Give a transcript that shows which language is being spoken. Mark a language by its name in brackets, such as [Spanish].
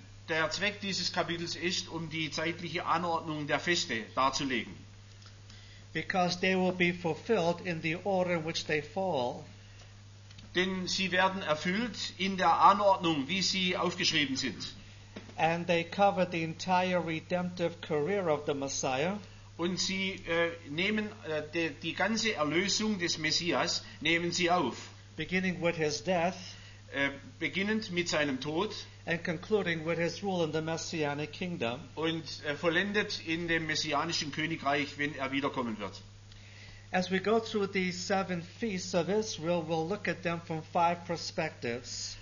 [German] Der Zweck dieses Kapitels ist, um die zeitliche Anordnung der Feste darzulegen. [English] Because they will be fulfilled in the order in which they fall. [German] Denn sie werden erfüllt in der Anordnung, wie sie aufgeschrieben sind. [English] And they cover the entire redemptive career of the Messiah. [German] Und sie nehmen die ganze Erlösung des Messias nehmen sie auf. [English] Beginning with his death. [German] Beginnend mit seinem Tod. [English] And concluding with his rule in the Messianic kingdom. [German] Und vollendet in dem messianischen Königreich, wenn er wiederkommen wird. [English] As we go through these 7 feasts of Israel, we'll look at them from 5 perspectives.